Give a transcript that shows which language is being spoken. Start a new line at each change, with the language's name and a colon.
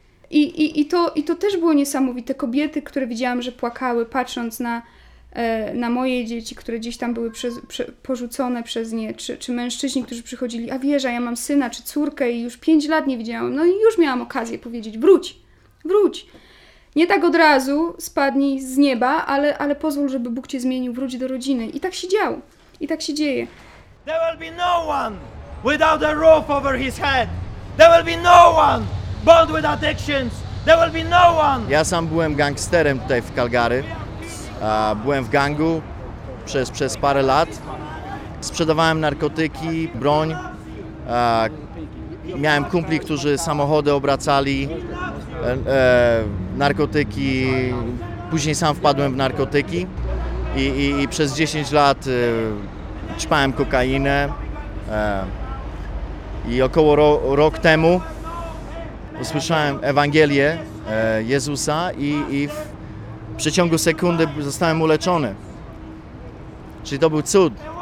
Polish: I to też było niesamowite. Kobiety, które widziałam, że płakały, patrząc na moje dzieci, które gdzieś tam były porzucone przez nie, czy mężczyźni, którzy przychodzili, a wiesz, a ja mam syna czy córkę i już 5 lat nie widziałam, no i już miałam okazję powiedzieć, wróć. Nie tak od razu spadnij z nieba, ale pozwól, żeby Bóg cię zmienił, wróć do rodziny. I tak się działo. I tak się dzieje.
English: There will be no one without a roof over his head. There will be no one bound with addictions. There will be no one.
Polish: Ja sam byłem gangsterem tutaj w Calgary. Byłem w gangu przez parę lat. Sprzedawałem narkotyki, broń. Miałem kumpli, którzy samochody obracali. Narkotyki, później sam wpadłem w narkotyki i przez 10 lat ćpałem kokainę i około rok temu usłyszałem Ewangelię Jezusa i w przeciągu sekundy zostałem uleczony. Czyli to był cud.